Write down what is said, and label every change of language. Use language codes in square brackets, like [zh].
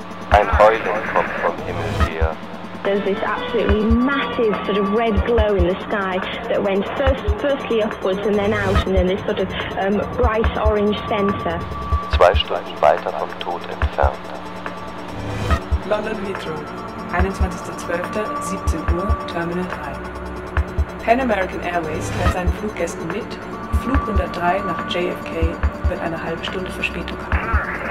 [de] Ein Heulen kommt vom Himmel her. [en] There's this absolutely massive sort of red glow in the sky that went firstly upwards and then out and then this sort of bright orange center. [de] 2 Stunden weiter vom Tod entfernt. London Heathrow, 21.12. 17 Uhr, Terminal 3. Pan American Airways teilt seinen Fluggästen mit, Flug 103 nach JFK wird eine halbe Stunde Verspätung haben.